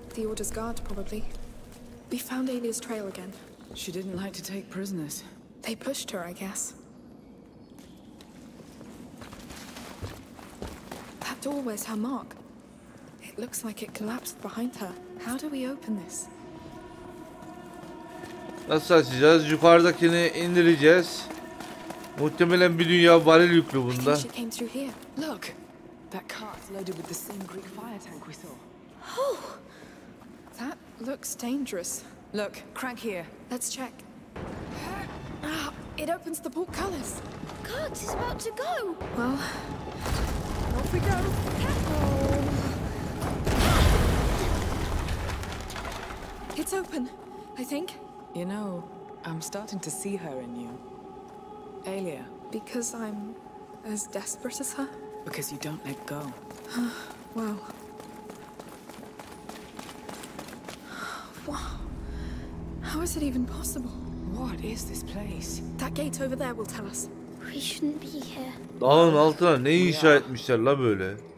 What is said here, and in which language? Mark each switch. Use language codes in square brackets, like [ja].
[en] The order's guard probably. We found Alia's trail again. She didn't like to take prisoners. They pushed her, I guess. Door wears her mark. It looks like it collapsed behind her. How do we open this? [tr] Nasıl açacağız? Yukarıdakini indireceğiz. Muhtemelen bir dünya varil yüklü bunda. [en] Look, that cart loaded with the same Greek fire tank we saw. Oh, that looks dangerous. Look, crank here. Let's check. It opens the portcullis. Cart is about to go. Well. Off we go. Careful. It's open, I think. You know, I'm starting to see her in you. Alia. Because I'm as desperate as her? Because you don't let go. Well. Wow. How is it even possible? What is this place? That gate over there will tell us. We shouldn't be here. [tr] Dağın altına ne inşa etmişler la böyle?